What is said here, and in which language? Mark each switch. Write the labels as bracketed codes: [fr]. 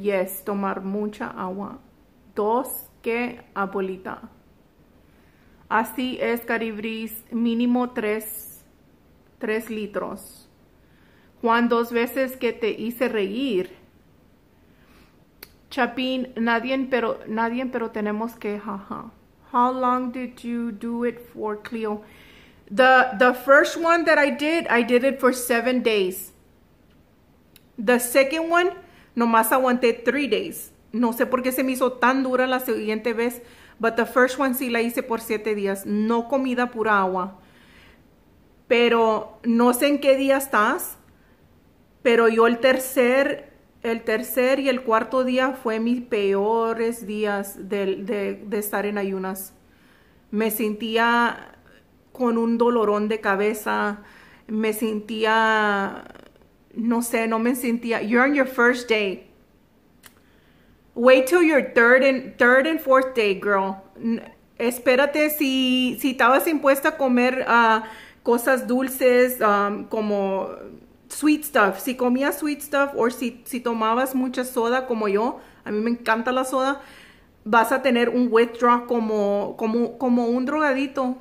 [es] Yes, tomar mucha agua. Dos, qué abuelita. Así es, Caribris, mínimo 3 litros. Juan, 2 veces que te hice reír. Chapín, nadie, pero tenemos que, jaja. [en] How long did you do it for, Cleo? The first one that I did it for 7 days. The second one, [es] nomás aguanté [en] 3 days. [es] No sé por qué se me hizo tan dura la siguiente vez, [en] but the first one [es] sí la hice por 7 días. No comida, pura agua. Pero no sé en qué día estás, pero yo el tercer y el cuarto día fue mis peores días de estar en ayunas. Me sentía con un dolorón de cabeza, me sentía. No sé, no me sentía. [en] You're on your first day. Wait till your third and fourth day, girl. [es] Espérate, si estabas impuesta a comer cosas dulces, como sweet stuff. Si comías sweet stuff o si tomabas mucha soda como yo, a mí me encanta la soda, vas a tener un withdrawal como un drogadito.